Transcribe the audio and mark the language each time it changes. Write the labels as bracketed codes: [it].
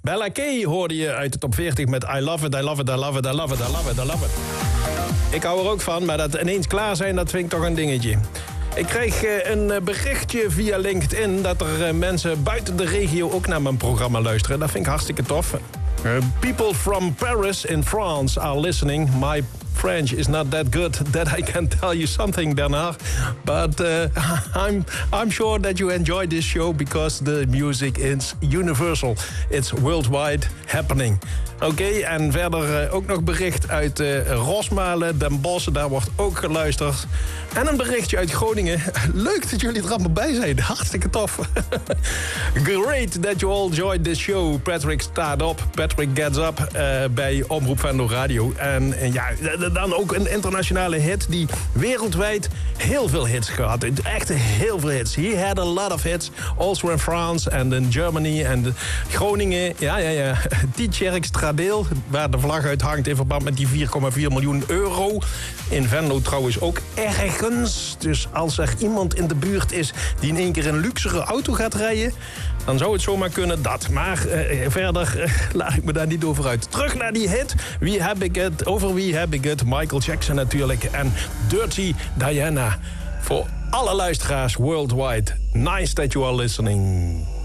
[en] Bella Kay [nl] hoorde je uit de top 40 met [en] I love it, I love it, I love it, I love it, I love it, I love it. [nl] Ik hou er ook van, maar dat ineens klaar zijn, dat vind ik toch een dingetje. Ik kreeg een berichtje via LinkedIn dat er mensen buiten de regio ook naar mijn programma luisteren. Dat vind ik hartstikke tof. [en] People from Paris in France are listening. My French is not that good that I can tell you something, Bernard. But I'm sure that you enjoy this show because the music is universal. It's worldwide happening. [nl] Okay, en verder ook nog bericht uit Rosmalen, Den Bosch. Daar wordt ook geluisterd. En een berichtje uit Groningen. Leuk dat jullie er allemaal bij zijn. Hartstikke tof. [en] Great that you all joined this show. [nl] Patrick staat op. Patrick [en] gets up [nl] bij Omroep Venlo Radio. En ja, dan ook een internationale hit die wereldwijd heel veel hits gehad. Echt heel veel hits. [en] He had a lot of hits. Also in France and in Germany and Groningen. [nl] Ja, ja, ja. Tjerk Stradeel, waar de vlag uit hangt in verband met die 4,4 miljoen euro. In Venlo trouwens ook erg. Dus als er iemand in de buurt is die in één keer een luxere auto gaat rijden, dan zou het zomaar kunnen dat. Maar verder laat ik me daar niet over uit. Terug naar die hit. Wie heb ik het? Over wie heb ik het? Michael Jackson natuurlijk. En Dirty Diana. Voor alle luisteraars worldwide. [en] Nice that you are listening.